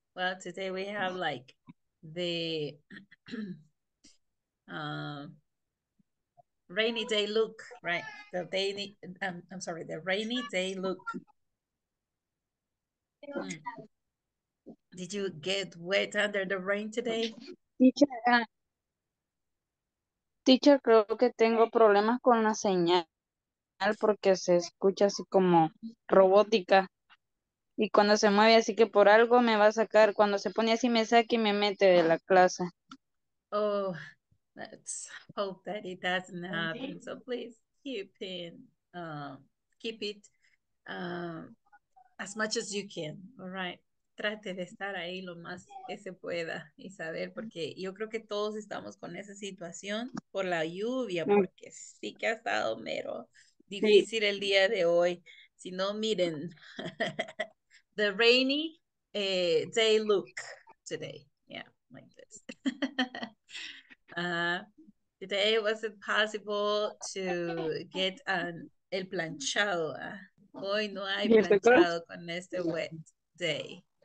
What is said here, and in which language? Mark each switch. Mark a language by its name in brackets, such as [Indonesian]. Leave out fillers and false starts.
[English] Well, today we have like the rainy day look, right? The day, I'm sorry, the rainy day look. Did you get wet under the rain today? [Spanish] Teacher, creo que tengo problemas con la señal porque se escucha así como robótica y cuando se mueve así que por algo me va a sacar, cuando se pone así me saca y me mete de la clase. [English] Oh, let's hope that it doesn't happen. So please keep in, keep it as much as you can, all right? [Spanish] Trate de estar ahí lo más que se pueda, Isabel, porque yo creo que todos estamos con esa situación por la lluvia, porque sí que ha estado mero difícil el día de hoy. Si no, miren, [English] the rainy day look today. Yeah, like this. today was it possible to get [Spanish] el planchado. Hoy no hay planchado con este [English] wet day.